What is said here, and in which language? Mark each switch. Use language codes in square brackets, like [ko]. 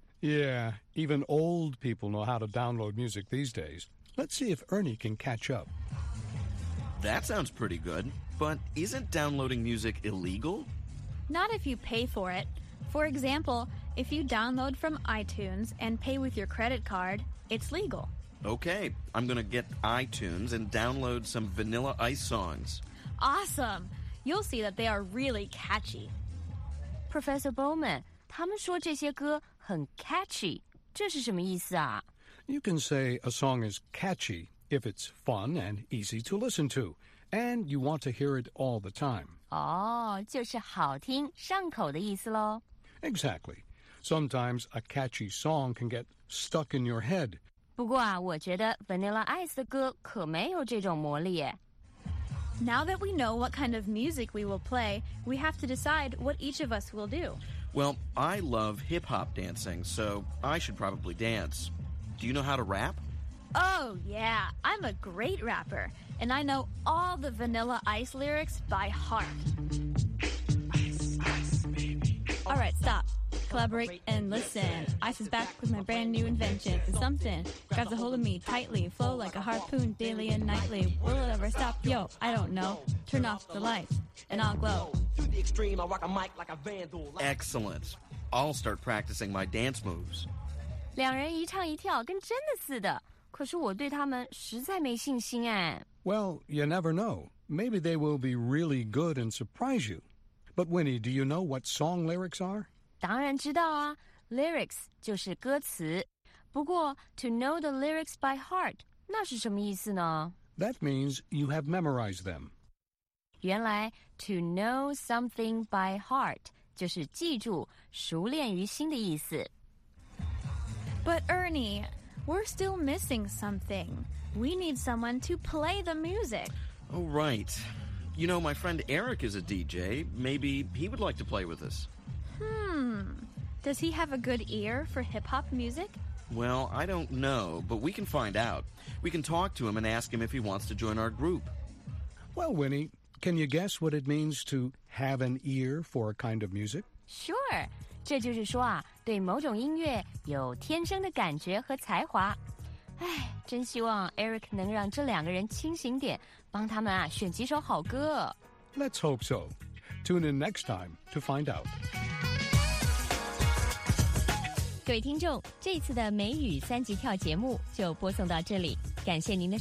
[en] Yeah, even old people know how to download music these days. Let's see if Ernie can catch up. That sounds pretty good, but isn't downloading music illegal? Not if you pay for it. For example,If you download from iTunes and pay with your credit card, it's legal. Okay, I'm going to get iTunes and download some Vanilla Ice songs. Awesome! You'll see that they are really catchy. [zh] Professor Bowman, 他们说这些歌很 catchy, 这是什么意思啊? [en] You can say a song is catchy if it's fun and easy to listen to, and you want to hear it all the time. [zh] 哦,就是好听,上口的意思咯。 [en] Exactly. Sometimes a catchy song can get stuck in your head. [zh] 不过啊，我觉得 Vanilla Ice 的歌可没有这种魔力耶。 [en] Now that we know what kind of music we will play, we have to decide what each of us will do. Well, I love hip-hop dancing, so I should probably dance. Do you know how to rap? Oh, yeah, I'm a great rapper, and I know all the Vanilla Ice lyrics by heart. All right, stop. Collaborate and listen. Ice is back with my brand new invention. It's something. Grabs a hold of me tightly. Flow like a harpoon daily and nightly. Will it ever stop? Yo, I don't know. Turn off the lights and I'll glow. Excellent. I'll start practicing my dance moves. [zh] 两人一唱一跳跟真的似的。可是我对他们实在没信心哎。 [en] Well, you never know. Maybe they will be really good and surprise you. But Winnie, do you know what song lyrics are? [zh] 当然知道啊 ,lyrics 就是歌词。不过 , [en] to know the lyrics by heart, [zh] 那是什么意思呢? [en] That means you have memorized them. [zh] 原来 , [en] to know something by heart, [zh] 就是记住,熟练于心的意思。 [en] But Ernie, we're still missing something. We need someone to play the music. Oh, right. You know, my friend Eric is a DJ. Maybe he would like to play with us. Does he have a good ear for hip-hop music? Well, I don't know, but we can find out. We can talk to him and ask him if he wants to join our group. Well, Winnie, can you guess what it means to have an ear for a kind of music? Sure. [zh] 这就是说啊，对某种音乐有天生的感觉和才华。哎，真希望 Eric 能让这两个人清醒点，帮他们啊选几首好歌。 [en] Let's hope so. Tune in next time to find out. [zh] 各位听众，这次的美语三级跳节目就播送到这里，感谢您的收听。